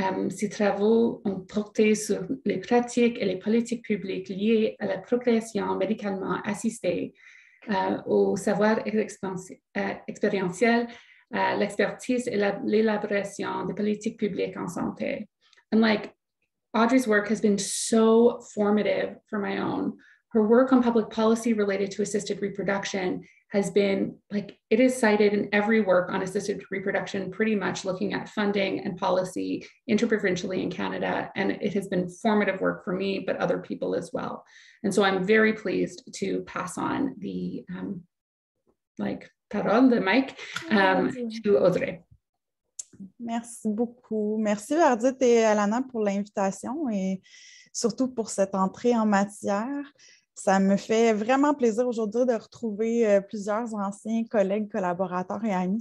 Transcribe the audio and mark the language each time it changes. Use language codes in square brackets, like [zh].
[fr] Ses travaux ont porté sur les pratiques et les politiques publiques liées à la procréation médicalement assistée, au savoir expérientiel, l'expertise et l'élaboration des politiques publiques en santé. [en] And like, Audrey's work has been so formative for my own. Her work on public policy related to assisted reproduction has been like, it is cited in every work on assisted reproduction, pretty much looking at funding and policy interprovincially in Canada. And it has been formative work for me, but other people as well. And so I'm very pleased to pass on the parole, the mic to Audrey. [fr] Merci beaucoup. Merci Verdit et Alana pour l'invitation et surtout pour cette entrée en matière. Ça me fait vraiment plaisir aujourd'hui de retrouver plusieurs anciens collègues, collaborateurs et amis.